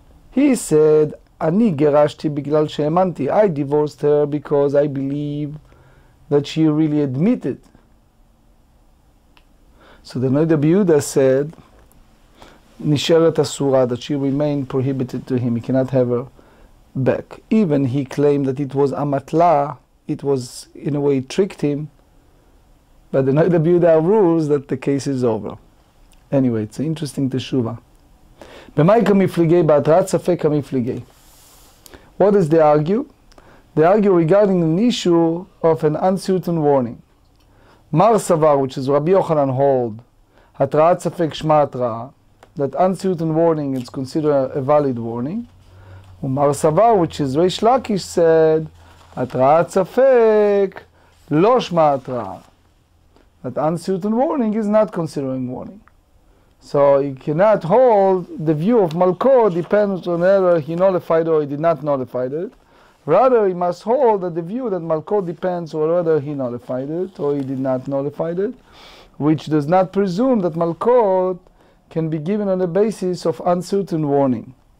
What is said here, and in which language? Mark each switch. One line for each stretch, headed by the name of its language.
English: He said,
Hebrew: אני גירשתי בגלל שהאמנתי.
English: I divorced her because I believe that she really admitted. So the Noida Biuda said,
Hebrew: נשארת אסורה,
English: that she remained prohibited to him. He cannot have her back. Even he claimed that it was amatla, it was, in a way, it tricked him. But the Noida Biuda rules that the case is over. Anyway, it's an interesting teshuva.
Aramaic: במאי כמפליגי, בהתראת ספק כמפליגי.
English: What does they argue? They argue regarding an issue of an uncertain warning.
Hebrew: מר סבר,
English: which is רבי יוחנן הולד,
Hebrew: התראת ספק שמה התראה,
English: that uncertain warning is considered a valid warning.
Hebrew: ומר סבר,
English: which is
Hebrew: ריש לקיש, said, התראת ספק לא שמה התראה.
English: That uncertain warning is not considering warning. So he cannot hold the view of Malko depends on whether he nullified or he did not nullify it. Rather, he must hold that the view that Malko depends on whether he nullified it or he did not nullify it, which does not presume that Malko can be given on the basis of uncertain warning.